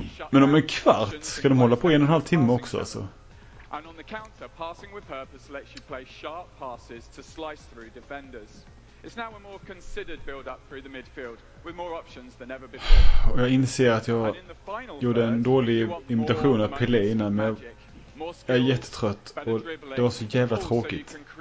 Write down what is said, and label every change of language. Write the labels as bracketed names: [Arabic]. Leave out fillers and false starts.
[Swedish] Men om en kvart ska de hålla på en och en halv timme också, alltså. [English] And on the counter, passing with purpose lets you play sharp passes to slice through defenders. It's now a more considered build-up through the midfield, with more options than ever before. [Swedish] Och jag inser att jag gjorde en dålig imitation av Pelé innan, men jag är jättetrött och det var så jävla tråkigt.